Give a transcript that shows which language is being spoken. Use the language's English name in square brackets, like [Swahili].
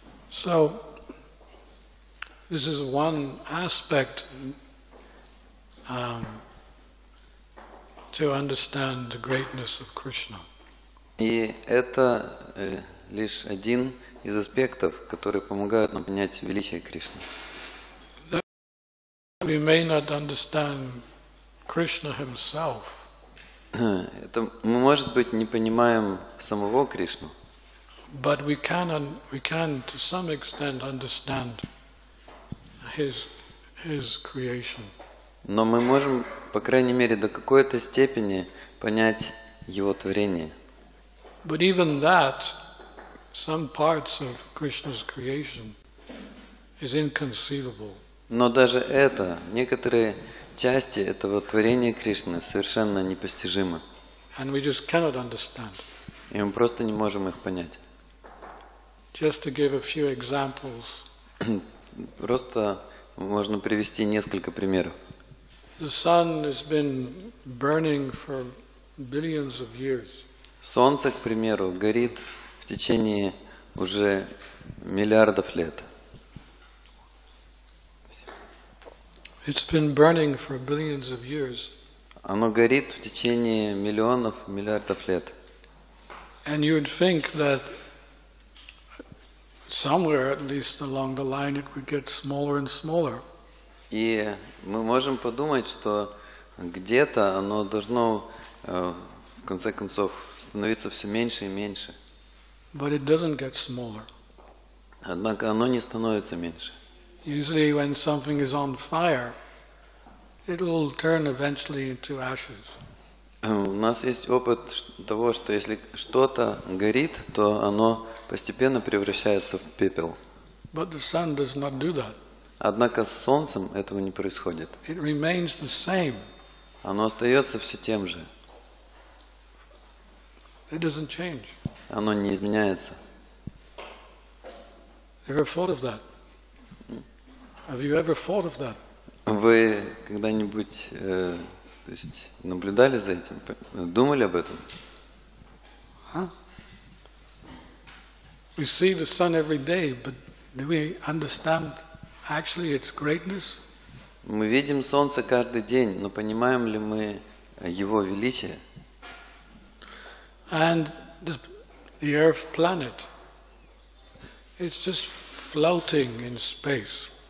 [English] So this is one aspect to understand the greatness of Krishna. [Russian] И это лишь один из аспектов, которые помогают нам понять величие Кришны. [English] We may not understand Krishna himself. [Russian] Это мы, может быть, не понимаем самого Кришну. [English] But we can to some extent understand his creation. [Russian] Но мы можем, по крайней мере, до какой-то степени понять его творение. [English] But even that, some parts of Krishna's creation is inconceivable. [Russian] Но даже это, некоторые части этого творения Кришны совершенно непостижимы. [English] And we just cannot understand. [Russian] И мы просто не можем их понять. [English] Just to give a few examples. [Russian] Просто можно привести несколько примеров. [English] The sun has been burning for billions of years. [Russian] Солнце, к примеру, горит в течение уже миллиардов лет. [English] It's been burning for billions of years. [Russian] Оно горит в течение миллионов, миллиардов лет. [English] And you'd think that somewhere, at least along the line, it would get smaller and smaller. [Russian] И мы можем подумать, что где-то оно должно в конце концов становиться все меньше и меньше. [English] But it doesn't get smaller. [Russian] Однако оно не становится меньше. [English] Usually, when something is on fire, it will turn eventually into ashes. [Russian] У нас есть опыт того, что если что-то горит, то оно постепенно превращается в пепел. [English] But the sun does not do that. [Russian] Однако с солнцем этого не происходит. [English] It remains the same. [Russian] Оно остается все тем же. [English] It doesn't change. [Russian] Оно не изменяется. [English] Ever thought of that? Have you ever thought of that? [Russian] Вы когда-нибудь то есть, наблюдали за этим? Думали об этом? [English] We see the sun every day, but do we understand actually its greatness? [Russian] Мы видим солнце каждый день, но понимаем ли мы его величие? [English] And the Earth planet, it's just floating in space.